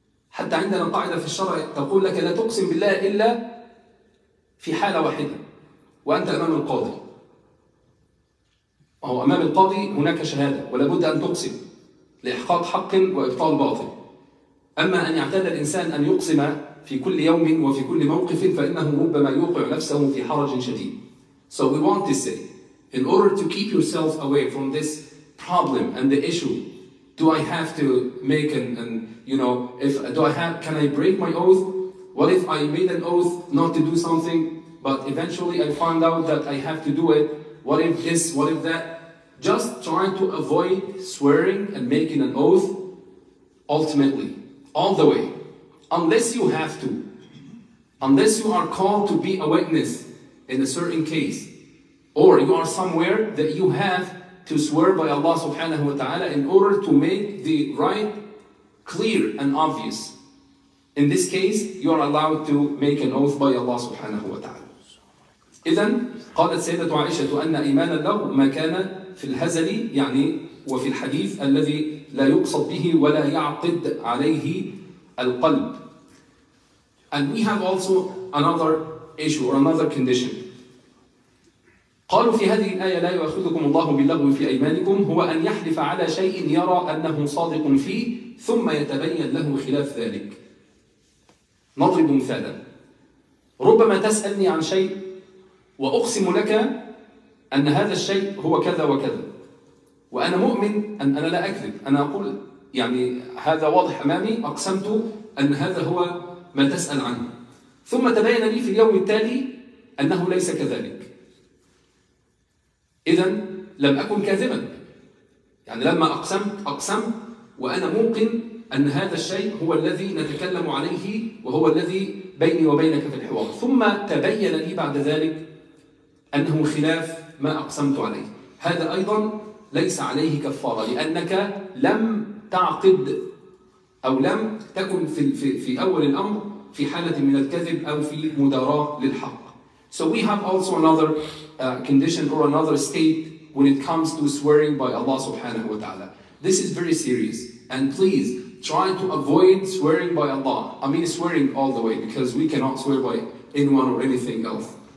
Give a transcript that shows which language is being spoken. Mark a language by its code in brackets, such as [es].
[ar] حتى عندنا قاعدة في الشرع تقول لك لا تقسم بالله إلا في حالة واحدة، وأنت أمام القاضي، أو أمام القاضي هناك شهادة ولا بد أن تقسم لإحقاق حق وإبطال باطل. أما أن يعتاد الإنسان أن يقسم في كل يوم وفي كل موقف فإنه ربما يوقع نفسه في حرج شديد. [en] So we want to say, in order to keep yourself away from this problem and the issue, do I have to make an you know, if do I have, can I break my oath? What if I made an oath not to do something, but eventually I find out that I have to do it? What if this, what if that? Just trying to avoid swearing and making an oath, ultimately, all the way. Unless you have to, unless you are called to be a witness in a certain case, or you are somewhere that you have to swear by Allah subhanahu wa ta'ala in order to make the right clear and obvious. In this case, you are allowed to make an oath by Allah subhanahu wa ta'ala. [ar] إذن قالت سيدة عائشة أن إيمان الله ما كان في الهزل يعني وفي الحديث الذي لا يقصد به ولا يعقد عليه القلب. [en] And we have also another issue or another condition. [ar] قالوا في هذه الآية لا يؤاخذكم الله باللغو في أيمانكم هو أن يحلف على شيء يرى أنه صادق فيه ثم يتبين له خلاف ذلك. نضرب مثالا، ربما تسألني عن شيء وأقسم لك أن هذا الشيء هو كذا وكذا، وأنا مؤمن أن أنا لا أكذب، أنا أقول يعني هذا واضح أمامي، أقسمت أن هذا هو ما تسأل عنه، ثم تبين لي في اليوم التالي أنه ليس كذلك. إذن لم أكن كاذبا، يعني لما أقسمت وأنا موقن أن هذا الشيء هو الذي نتكلم عليه وهو الذي بيني وبينك في الحوار، ثم تبين لي بعد ذلك أنه خلاف ما أقسمت عليه، هذا أيضا ليس عليه كفارة لأنك لم تعقد أو لم تكن في أول الأمر في حالة من الكذب أو في مداراة للحق. [en] So we have also another condition or another state when it comes to swearing by Allah subhanahu wa ta'ala. This is very serious. And please try to avoid swearing by Allah. I mean swearing all the way because we cannot swear by anyone or anything else.